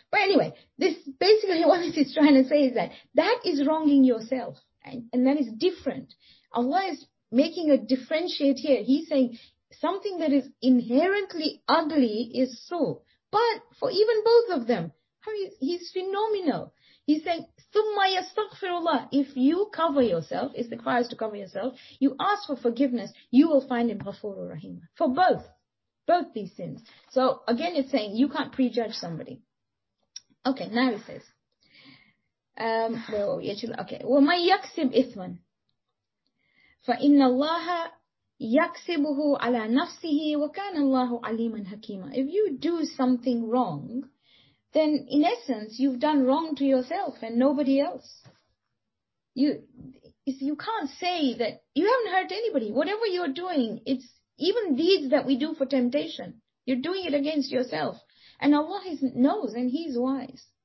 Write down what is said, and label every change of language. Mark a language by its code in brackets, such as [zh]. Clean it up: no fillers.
[en] But anyway, this basically what this is trying to say is that is wronging yourself. And that is different. Allah is making a differentiate here. He's saying something that is inherently ugly is so. But for even both of them, he's phenomenal. He's saying, [ar] ثُمَّ يَسْتَغْفِرُ اللَّهِ. [en] If you cover yourself, it's the cries to cover yourself, you ask for forgiveness, you will find him [ar] غَفُورُ رَحِيمًا. [en] For both these sins. So again, it's saying you can't prejudge somebody. Okay, now it says, [ar] وَمَنْ يَكْسِبْ إِثْمًا فَإِنَّ اللَّهَ يَكْسِبُهُ عَلَى نَفْسِهِ وَكَانَ اللَّهُ عَلِيمًا حَكِيمًا. [en] If you do something wrong, then in essence, you've done wrong to yourself and nobody else. You can't say that you haven't hurt anybody. Whatever you're doing, it's even deeds that we do for temptation. You're doing it against yourself. And Allah knows and He's wise.